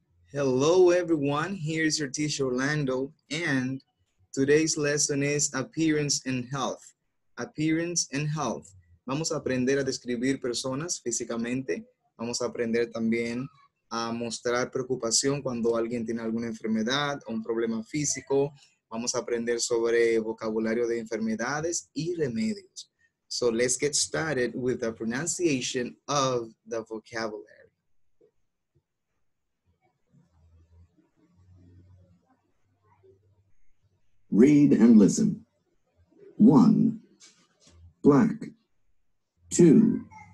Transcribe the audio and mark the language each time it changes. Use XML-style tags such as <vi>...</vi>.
<en>Hello everyone, here's your teacher Orlando, and today's lesson is appearance and health. Appearance and health.</en> <es>Vamos a aprender a describir personas físicamente. Vamos a aprender también a mostrar preocupación cuando alguien tiene alguna enfermedad o un problema físico. Vamos a aprender sobre vocabulario de enfermedades y remedios.</es> <en>So let's get started with the pronunciation of the vocabulary. Read and listen. 1. Black. 2.</en>